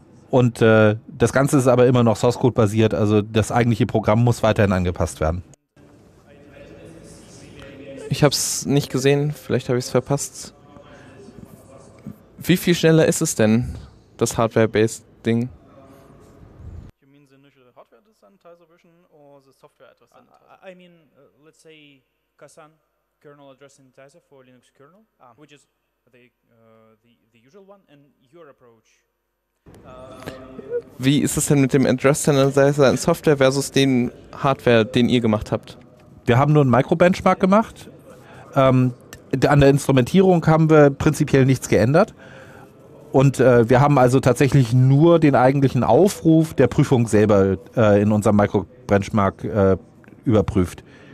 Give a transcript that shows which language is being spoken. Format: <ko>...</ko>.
<de>Und das Ganze ist aber immer noch Source-Code-basiert, also das eigentliche Programm muss weiterhin angepasst werden. Ich habe es nicht gesehen, vielleicht habe ich es verpasst. Wie viel schneller ist es denn, das Hardware-Based-Ding?</de> <en>You mean the initial hardware sanitizer version or the software address sanitizer? I mean, let's say Kasan kernel address sanitizer for Linux kernel, which is the usual one, and your approach.</en> <de>Wie ist es denn mit dem Address Sanitizer in Software versus den Hardware, den ihr gemacht habt? Wir haben nur einen Micro-Benchmark gemacht. An der Instrumentierung haben wir prinzipiell nichts geändert. Und wir haben also tatsächlich nur den eigentlichen Aufruf der Prüfung selber in unserem Microbenchmark überprüft.</de>